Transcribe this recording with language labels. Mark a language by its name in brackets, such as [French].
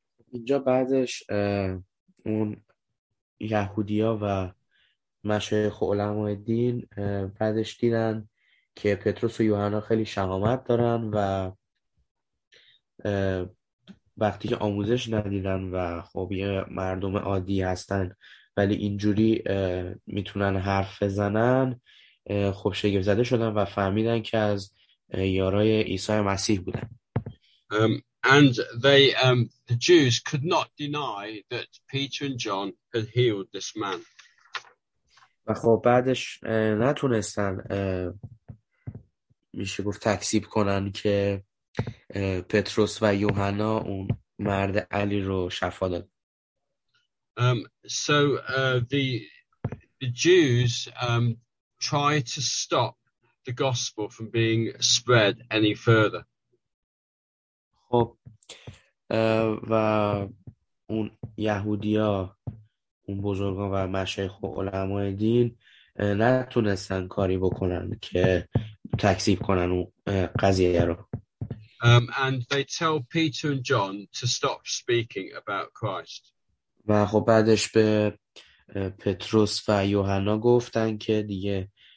[Persian] اینجا بعدش اون یهودیا و مشایخ علمای دین بعدش دیدن که پتروس و یوحنا خیلی شهامت دارن و وقتی که آموزش ندیدن و خب یه مردم عادی هستن ولی اینجوری میتونن حرف بزنن، خب شگفت زده شدن و فهمیدن که از یارای عیسی مسیح بودن. [English] And they, the Jews could not deny that Peter and John had healed this man. [Persian] و خب بعدش نتونستن میشه گفت تکذیب کنن که پتروس و یوحنا اون مرد علی رو شفا داد. [English] So the Jews try to stop the gospel from being spread any further. [Persian] خب و اون یهودیا اون بزرگان و مشایخ و علمای دین نتونستن کاری بکنن که تکذیب کنن اون قضیه رو. [English] And they tell Peter and John to stop speaking about Christ. [Persian] و خب بعدش به پتروس و یوحنا گفتن که دیگه